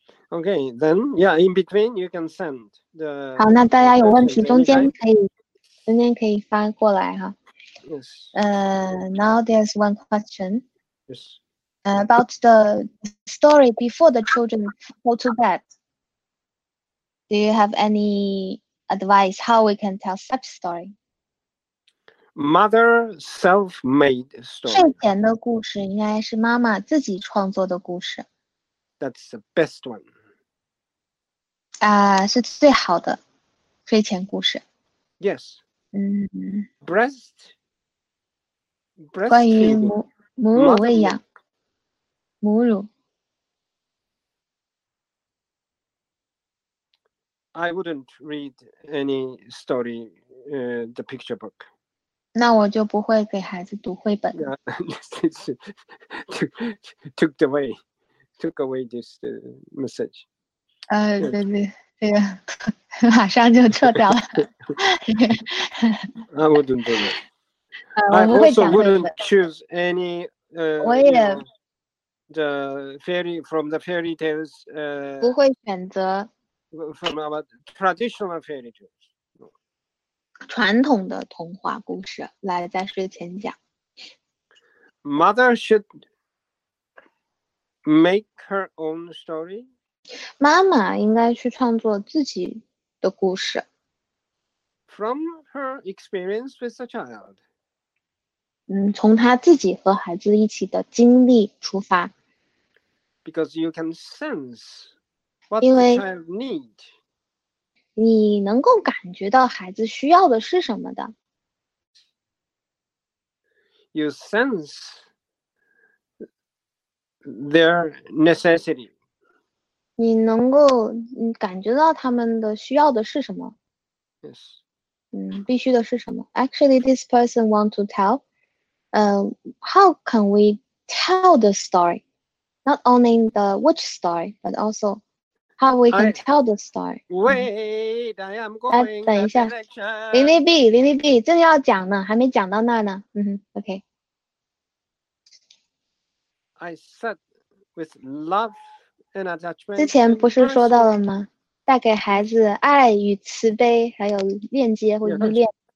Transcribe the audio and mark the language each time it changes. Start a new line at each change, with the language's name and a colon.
English: Okay, then, yeah, in between you can send the.
Chinese: 好，那大家有问题，中间可以发过来哈。
English: Yes. Now there's one question. Yes. About the story before the children go to bed. Do you have any advice how we can tell such story? Mother self-made story.
Chinese: 睡前的故事应该是妈妈自己创作的故事。
English: That's the best one.
Chinese: 是最好的睡前故事。
English: Yes. 嗯。 Breast.
Chinese: 关于母乳喂养。母乳。
English: I wouldn't read any story, the picture book.
Chinese: 那我就不会给孩子读绘本。
English: Yeah. took away this message.
Chinese: 对，这个马上就撤掉了。
English: I wouldn't do that.
Chinese: 我不会讲绘本。
English: I also wouldn't choose any,
Chinese: 我也
English: you know, the fairy from the fairy tales,
Chinese: 不会选择
English: from our traditional fairy tales.
Chinese: 传统的童话故事来在睡前讲。
English: Mother should make her own story.
Chinese: 妈妈应该去创作自己的故事。
English: From her experience with the child.
Chinese: 从她自己和孩子一起的经历出发。
English: Because you can sense what the child need.
Chinese: 你能够感觉到孩子需要的是什么的。
English: You sense their necessity.
Chinese: 你能够感觉到他们的需要的是什么
English: ？Yes.
Chinese: 必须的是什么 ？
English: Actually, this person want to tell. How can we tell the story? Not only the which story, but also how we can tell the story. Wait, I am going.
Chinese: 等一下，林立B， 正要讲呢，还没讲到那呢。
English: OK. I said with love.
Chinese: 之前不是说到了吗？带给孩子爱与慈悲，还有链接或依恋。